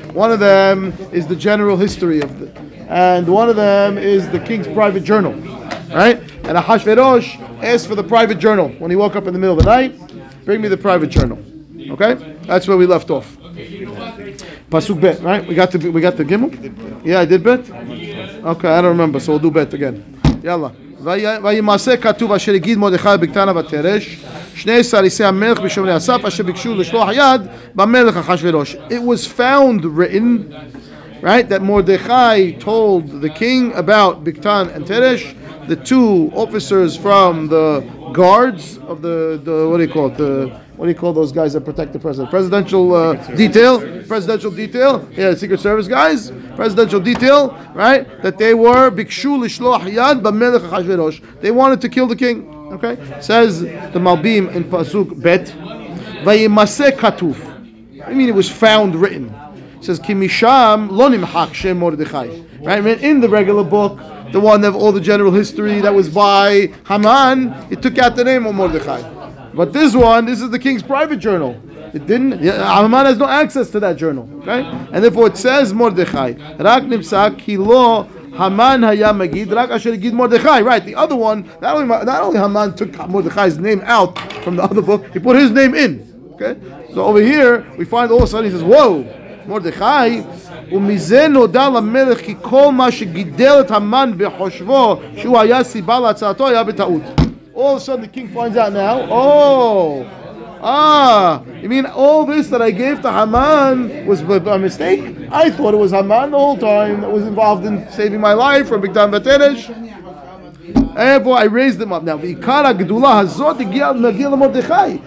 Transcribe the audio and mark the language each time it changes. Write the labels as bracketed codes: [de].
[en] One of them is the general history of the, and one of them is the king's private journal. Right? And Ahasuerus asked for the private journal when he woke up in the middle of the night. Bring me the private journal. Okay? That's where we left off. Pasuk bet, right? We got the gimel? Yeah, I did bet? Okay, I don't remember, so we'll do bet again. Yalla. [he] ויימעשה כתוב אשר יגיד מודחי בקטנה ותרש שני סריסי המלך בשומרי הסף אשר ביקשו לשלוח יד במלך החשבירוש. [en] It was found written, right, that Mordechai told the king about Biktan and Teresh, the two officers from the guards of the what do you call it? What do you call those guys that protect the president? Presidential detail. Yeah, Secret Service guys. Presidential detail, right? That they were [he] Bikshu Lishloach Yad B'Melech HaChashverosh. [en] They wanted to kill the king. Okay? Says the Malbim in Pasuk Bet. [he] Vayimaseh Katuf. [en] I mean, it was found written. It says, [he] Kimisham Lo Nimhak Shem Mordechai. [en] Right? In the regular book, the one of all the general history that was by Haman, it took out the name of Mordechai. But this one, this is the king's private journal. It didn't. Haman has no access to that journal, okay? And therefore, it says Mordechai. [he] Rak nimsa ki lo Haman haya magid. Rak asher gid Mordechai. [en] Right. The other one, not only Haman took Mordechai's name out from the other book, he put his name in. Okay. So over here, we find all of a sudden he says, "Whoa, Mordechai." [he] ומזין נודל המלך כי כל מה שגידל את Haman בחושבו שהוא היה סיבה להצעתו היה בטעות. [en] All of a sudden the king finds out now, you mean all this that I gave to Haman was a mistake? I thought it was Haman the whole time that was involved in saving my life from Bigdan Vatenesh. And boy, I raised him up. Now, [he] v'ikara gedula hazot igia nagia l'Mordechai.